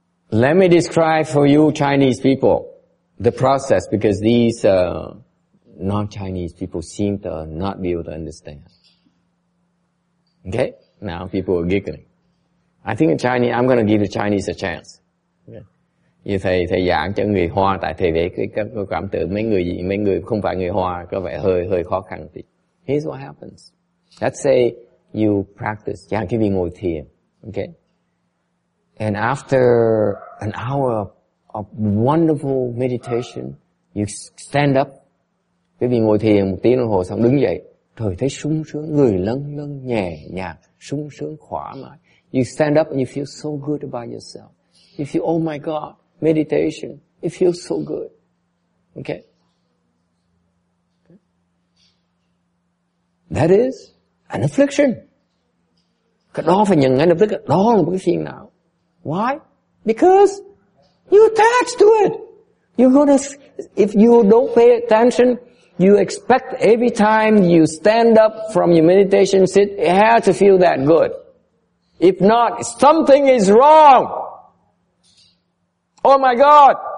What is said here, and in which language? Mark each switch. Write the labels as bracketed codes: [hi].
[en] Let me describe for you Chinese people the process, because these non-Chinese people seem to not be able to understand. Okay? Now people are giggling. I think I'm going to give the Chinese a chance. [vi] Như thầy giảng cho người Hoa tại thầy về cái cảm tưởng mấy người không phải người Hoa có vẻ hơi khó khăn tí. [en] Here's what happens. Let's say you practice. Yeah, [vi] khi ngồi thiền. [en] Okay? And after an hour of wonderful meditation, you stand up. [vi] Quý vị ngồi thiền một tiếng đồng hồ xong đứng dậy. rồi thấy sung sướng, người lâng lâng nhẹ nhàng, sung sướng khoái mái. [en] You stand up and you feel so good about yourself. You feel, oh my God, meditation, it feels so good. Okay? That is an affliction. [vi] Cái đó phải nhận ngay lập tức, đó là một cái phiền não. [en] Why? Because you're attached to it. You're gonna, if you don't pay attention, you expect every time you stand up from your meditation seat, it has to feel that good. If not, something is wrong. Oh my God.